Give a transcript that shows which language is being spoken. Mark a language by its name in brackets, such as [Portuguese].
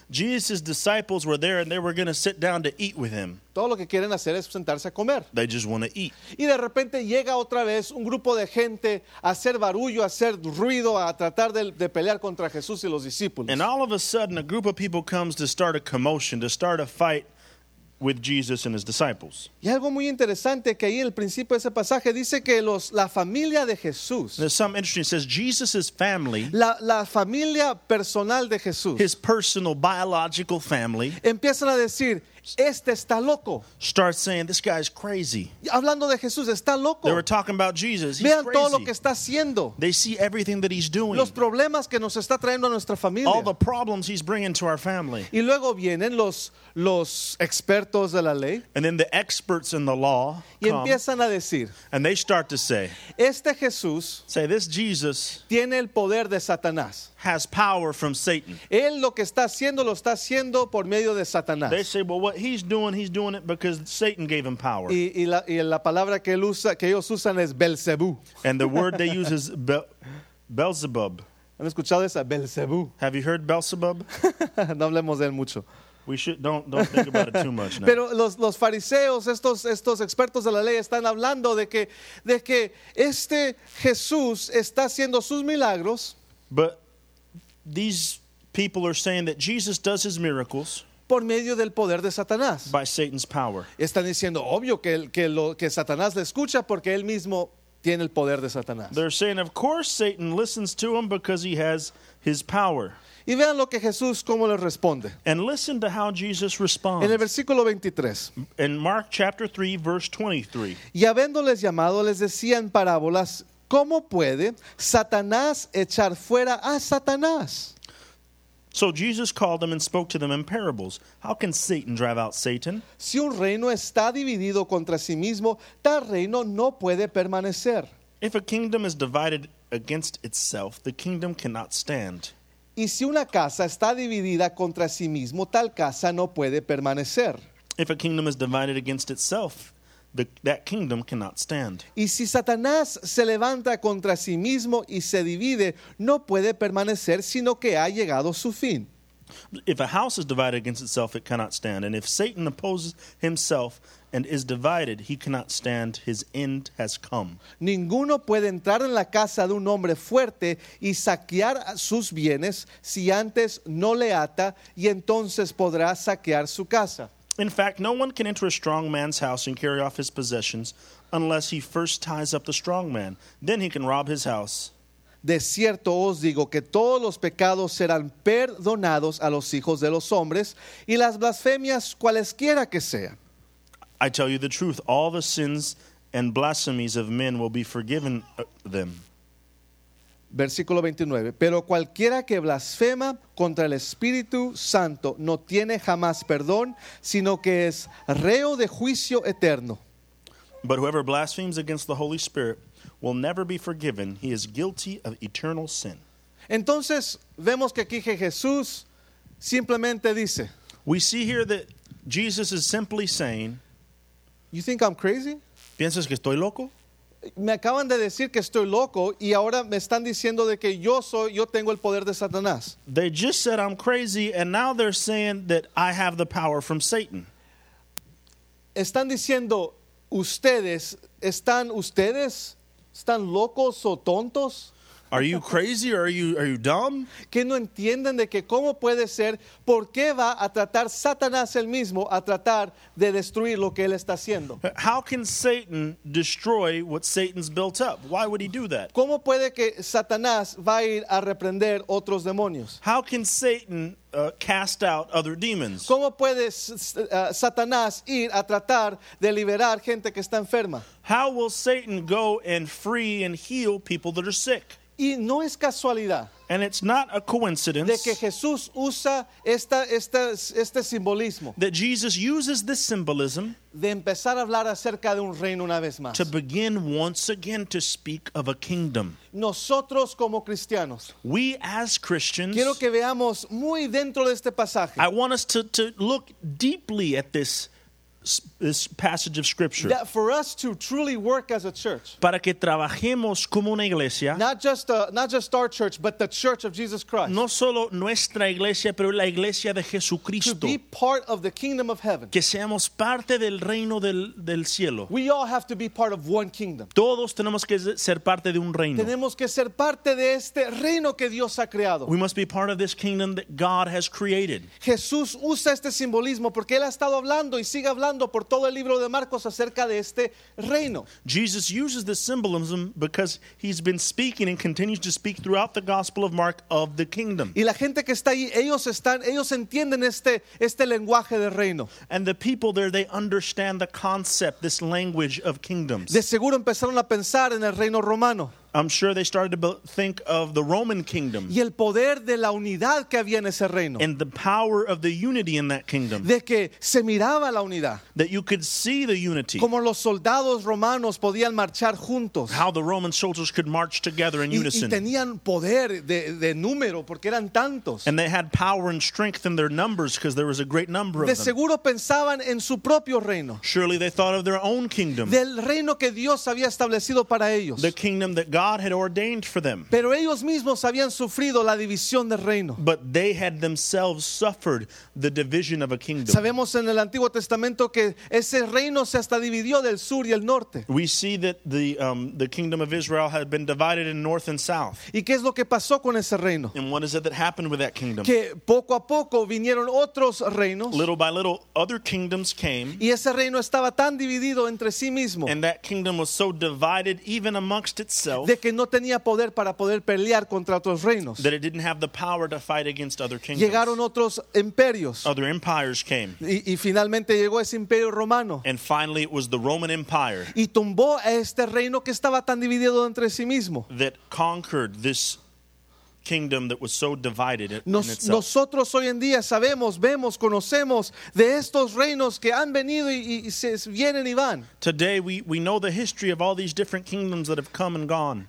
[English] Jesus' disciples were there and they were going to sit down to eat with him. [Spanish] Todo lo que quieren hacer es sentarse a comer. [English] They just want to eat. [Spanish] Y de repente llega otra vez un grupo de gente a hacer barullo, a hacer ruido, a tratar de pelear contra Jesús y los discípulos. [English] And all of a sudden a group of people comes to start a commotion, to start a fight with Jesus and his disciples. [Spanish] Y algo muy interesante que ahí en el principio de ese pasaje dice que la familia de Jesús. [English] There's something interesting. It says Jesus's family. [Spanish] La familia personal de Jesús. [English] His personal biological family. [Spanish] Empiezan a decir, este está loco. [English] Start saying, this guy's crazy. [Spanish] Hablando de Jesús, está loco. [English] They were talking about Jesus. He's [Spanish] vean [English] crazy. [Spanish] Todo lo que está haciendo. [English] They see everything that he's doing. [Spanish] Los problemas que nos está trayendo a nuestra familia. [English] All the problems he's bringing to our family. [Spanish] Y luego vienen los expertos de la ley. [English] And then the experts in the law [Spanish] y empiezan [English] come, [Spanish] a decir, [English] and they start to say, [Spanish] este Jesús, [English] say, this Jesus [Spanish] tiene el poder de Satanás. [English] Has power from Satan. [Spanish] Él lo que está haciendo, lo está haciendo por medio de Satanás. [English] They say, well, what he's doing it because Satan gave him power. [Spanish] Y la palabra que él usa, que ellos usan es Belzebú. [English] And the word they use is Belzebub. [Spanish] ¿Han escuchado esa? Belzebú. [English] Have you heard Belzebub? [Spanish] No hablemos de él mucho. [English] We should don't think about it too much now. [Spanish] Pero los fariseos, estos expertos de la ley están hablando de que este Jesús está haciendo sus milagros. [English] But these people are saying that Jesus does his miracles [Spanish] por medio del poder de Satanás. [English] By Satan's power. [Spanish] Están diciendo obvio que Satanás le escucha porque él mismo tiene el poder de Satanás. [English] They're saying of course Satan listens to him because he has his power. [Spanish] Y vean lo que Jesús cómo le responde. [English] And listen to how Jesus responds. [Spanish] En el versículo 23. [English] In Mark chapter 3 verse 23. [Spanish] Y habiéndoles llamado les decían parábolas, ¿cómo puede Satanás echar fuera a Satanás? [English] So Jesus called them and spoke to them in parables. How can Satan drive out Satan? [Spanish] Si un reino está dividido contra sí mismo, tal reino no puede permanecer. [English] If a kingdom is divided against itself, the kingdom cannot stand. [Spanish] Y si una casa está dividida contra sí mismo, tal casa no puede permanecer. [English] If a kingdom is divided against itself, that kingdom cannot stand. [Spanish] Y si Satanás se levanta contra sí mismo y se divide, no puede permanecer, sino que ha llegado su fin. [English] If a house is divided against itself, it cannot stand. And if Satan opposes himself and is divided, he cannot stand. His end has come. [Spanish] Ninguno puede entrar en la casa de un hombre fuerte y saquear sus bienes si antes no le ata, y entonces podrá saquear su casa. [English] In fact, no one can enter a strong man's house and carry off his possessions unless he first ties up the strong man. Then he can rob his house. [Spanish] De cierto os digo que todos los pecados serán perdonados a los hijos de los hombres y las blasfemias cualesquiera que sean. [English] I tell you the truth, all the sins and blasphemies of men will be forgiven them. [Spanish] Versículo 29. Pero cualquiera que blasfema contra el Espíritu Santo no tiene jamás perdón, sino que es reo de juicio eterno. [English] But whoever blasphemes against the Holy Spirit will never be forgiven. He is guilty of eternal sin. [Spanish] Entonces, vemos que aquí Jesús simplemente dice, [English] we see here that Jesus is simply saying, you think I'm crazy? [Spanish] ¿Piensas que estoy loco? Me acaban de decir que estoy loco y ahora me están diciendo de que yo tengo el poder de Satanás. [English] They just said I'm crazy and now they're saying that I have the power from Satan. [Spanish] Están diciendo ustedes están locos o tontos? [English] Are you crazy or are you dumb? [Spanish] Que no entienden de que cómo puede ser, por qué va a tratar Satanás el mismo a tratar de destruir lo que él está haciendo. [English] How can Satan destroy what Satan's built up? Why would he do that? [Spanish] ¿Cómo puede que Satanás va a ir a reprender otros demonios? [English] How can Satan cast out other demons? [Spanish] ¿Cómo puede Satanás ir a tratar de liberar gente que está enferma? [English] How will Satan go and free and heal people that are sick? [Spanish] Y no es casualidad. [English] And it's not a coincidence. [Spanish] De que Jesús usa este simbolismo. [English] That Jesus uses this symbolism. [Spanish] De empezar a hablar acerca de un reino una vez más. [English] To begin once again to speak of a kingdom. [Spanish] Nosotros como cristianos. [English] We as Christians. [Spanish] Quiero que veamos muy dentro de este pasaje. [English] I want us to look deeply at this passage of scripture. That for us to truly work as a church. [Spanish] Para que trabajemos como una iglesia. [English] Not just our church, but the church of Jesus Christ. [Spanish] No solo nuestra iglesia, pero la iglesia de Jesucristo. [English] To be part of the kingdom of heaven. [Spanish] Que seamos parte del reino del cielo. [English] We all have to be part of one kingdom. [Spanish] Todos tenemos que ser parte de un reino. Tenemos que ser parte de este reino que Dios ha creado. [English] We must be part of this kingdom that God has created. [Spanish] Jesús usa este simbolismo porque él ha estado hablando y sigue hablando por todo el libro de Marcos acerca de este reino. [English] Jesus uses the symbolism because he's been speaking and continues to speak throughout the Gospel of Mark of the kingdom. [Spanish] Y la gente que está ahí, ellos entienden este lenguaje de reino. [English] And the people there, they understand the concept, this language of kingdoms. [Spanish] De seguro empezaron a pensar en el reino romano. [English] I'm sure they started to think of the Roman kingdom. [Spanish] Y el poder de la unidad que había en ese reino. [English] And the power of the unity in that kingdom. [Spanish] De que se miraba la unidad. [English] That you could see the unity. [Spanish] Como los soldados romanos podían marchar juntos. [English] How the Roman soldiers could march together in unison. [Spanish] Y tenían poder de número porque eran tantos. [English] And they had power and strength in their numbers because there was a great number of them. [Spanish] De seguro pensaban en su propio reino. [English] Surely they thought of their own kingdom. [Spanish] Del reino que Dios había establecido para ellos. [English] The kingdom that God had ordained for them. [Spanish] Pero ellos mismos habían sufrido la división del reino. [English] But they had themselves suffered the division of a kingdom. [Spanish] Sabemos en el Antiguo Testamento que ese reino se hasta dividió del sur y el norte. [English] We see that the kingdom of Israel had been divided in north and south. [Spanish] ¿Y qué es lo que pasó con ese reino? [English] And what is it that happened with that kingdom? [Spanish] Que poco a poco vinieron otros reinos. [English] Little by little, other kingdoms came. [Spanish] Y ese reino estaba tan dividido entre sí mismo. [English] And that kingdom was so divided even amongst itself. [Spanish] De que no tenía poder para poder pelear contra otros reinos. [English] That it didn't have the power to fight against other kingdoms. [Spanish] Llegaron otros imperios. [English] Other empires came. [Spanish] Y finalmente llegó ese imperio romano. [English] And finally it was the Roman Empire. [Spanish] Y tumbó a este reino que estaba tan dividido entre sí mismo. [English] That conquered this kingdom that was so divided in itself. [Spanish] Nosotros hoy en día sabemos, vemos, conocemos de estos reinos que han venido y se vienen y van. [English] Today we know the history of all these different kingdoms that have come and gone.